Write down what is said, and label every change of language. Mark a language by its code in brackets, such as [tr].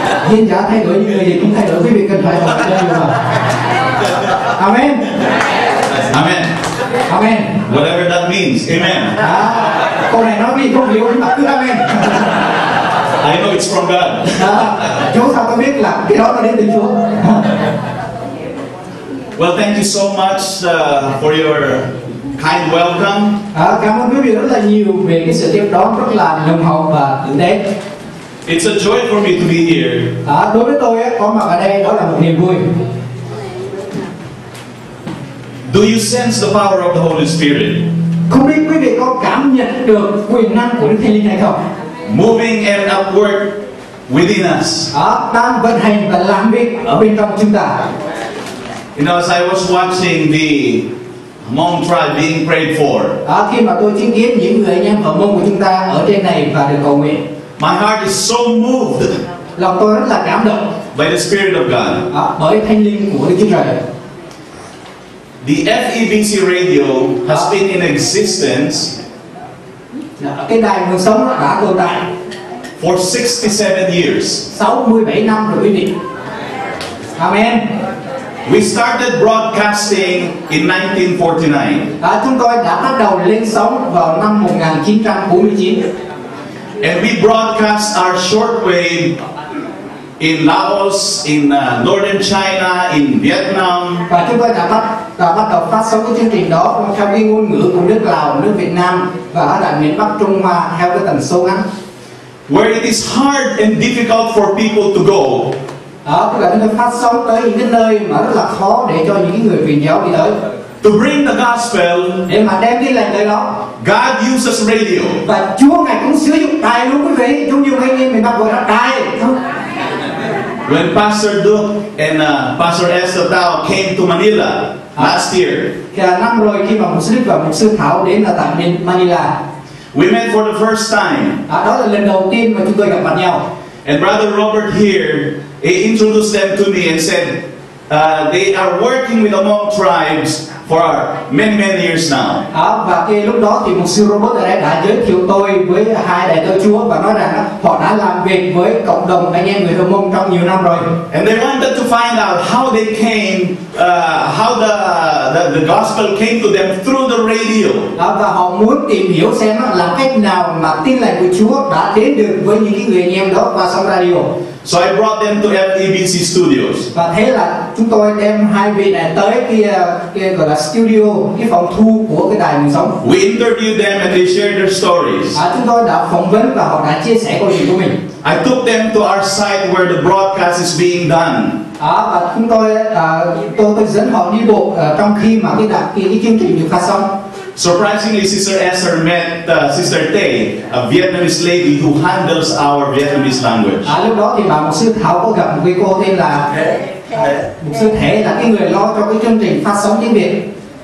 [vi] Diễn giả thay đổi như người gì cũng thay đổi, quý vị cần phải học cho nhiều mà. [en] Amen. Amen. Amen. Whatever that means. Amen. [vi] Câu này nói gì không hiểu nhưng mà cứ amen. [en] I know it's from God. [vi] Chúa sao tôi biết là cái đó nó đến từ Chúa. [en] Well, thank you so much for your kind welcome. [vi] Cảm ơn quý vị rất là nhiều về cái sự tiếp đón rất là nồng hậu và tử tế. [en] It's a joy for me to be here. [vi] Đối với tôi có mặt ở đây đó là một niềm vui. [en] Do you sense the power of the Holy Spirit? [vi] Không biết quý vị có cảm nhận được quyền năng của Đức Thánh Linh hay không? [en] Moving and at work within us. [vi] Đang vận hành và làm việc ở bên trong chúng ta. [en] You know, as I was watching the Hmong tribe being prayed for. [vi] Khi mà tôi chứng kiến những người anh em ở Hmong của chúng ta ở trên này và được cầu nguyện. [en] My heart is so moved. [vi] Lòng tôi rất là cảm động. [en] By the Spirit of God. [vi] Bởi Thánh Linh của Đức Chúa Trời. [en] The FEBC radio has been in existence. [vi] Cái đài Nguồn Sống đã tồn tại. [en] For 67 years. [vi] 67 năm rồi quý vị. Amen. [en] We started broadcasting in 1949. [vi] Chúng tôi đã bắt đầu lên sóng vào năm 1949. [en] And we broadcast our shortwave in Laos, in northern China, in Vietnam. [vi] Và chúng tôi đã bắt đầu phát sóng cái chương trình đó theo cái ngôn ngữ của nước Lào, nước Việt Nam và ở đại miền Bắc Trung Hoa theo cái tần số ngắn. [en] where it is hard and difficult for people to go. [vi] Tức là chúng ta phát sóng tới những cái nơi mà rất là khó để cho những người truyền giáo đi tới. [en] To bring the gospel, [vi] để mà đem cái lời tới đó. [en] God uses radio. [vi] Và Chúa ngài cũng sử dụng đài luôn quý vị. Chúng dùng anh em mình bắt gọi là đài. [en] When Pastor Duke and Pastor Esther Tao came to Manila last year. [vi] Khi năm rồi khi mà mục sư và mục sư Thảo đến là tại Manila. [en] We met for the first time. [vi] Đó là lần đầu tiên mà chúng tôi gặp mặt nhau. [en] And Brother Robert here, he introduced them to me and said they are working with Among Tribes for many many years now. [vi] Và cái lúc đó thì mục sư Robert ở đây đã giới thiệu tôi với hai đại tớ Chúa và nói rằng họ đã làm việc với cộng đồng anh em người Hồng Mông trong nhiều năm rồi. [en] And they wanted to find out how they came, how the gospel came to them through the radio. [vi] Và họ muốn tìm hiểu xem là cách nào mà tin lành của Chúa đã đến được với những cái người anh em đó qua sóng radio. [en] So I brought them to FEBC Studios. [vi] Và thế là chúng tôi đem hai vị này tới cái gọi là studio, cái phòng thu của cái đài mình sống. [en] We interviewed them and they shared their stories. [vi] Chúng tôi đã phỏng vấn và họ đã chia sẻ câu chuyện của mình. [en] I took them to our site where the broadcast is being done. [vi] Và chúng tôi dẫn họ đi bộ trong khi mà cái chương trình được phát sóng. [en] Surprisingly, Sister Esther met Sister Tay, a Vietnamese lady who handles our Vietnamese language. [vi] Lúc đó thì bà mục sư Thảo có gặp một cái cô tên là mục sư Thế, là cái người lo cho cái chương trình phát sóng tiếng Việt.